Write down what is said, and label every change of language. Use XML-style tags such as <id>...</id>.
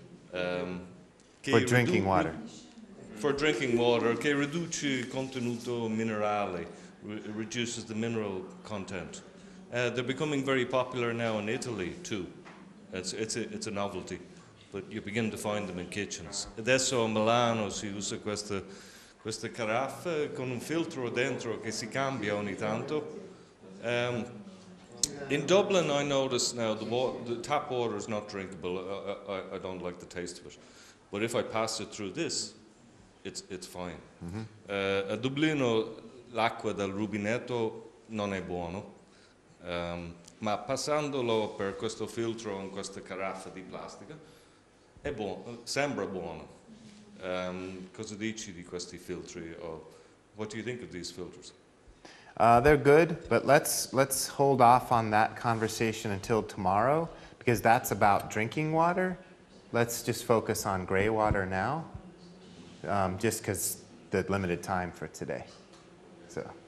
<en>For drinking water. For drinking water,</en> <it>che riduce il contenuto minerale,</it> <en>reduces the mineral content. They're becoming very popular now in Italy, too. It's a novelty, but you begin to find them in kitchens.</en> <it>Adesso a Milano si usa questa caraffa con un filtro dentro che si cambia ogni tanto.</it> <en>In Dublin, I notice now the tap water is not drinkable. I don't like the taste of it. But if I pass it through this, it's fine. Mm-hmm.</en> <it>A Dublino, l'acqua dal rubinetto non è buono. Ma passandolo per questo filtro in questa caraffa di plastica è buono, sembra buono. Cosa dici di questi filtri?</it> <en>Or what do you think of these filters? They're good, but let's hold off on that conversation until tomorrow, because that's about drinking water. Let's just focus on gray water now, just because the limited time for today. So.</en>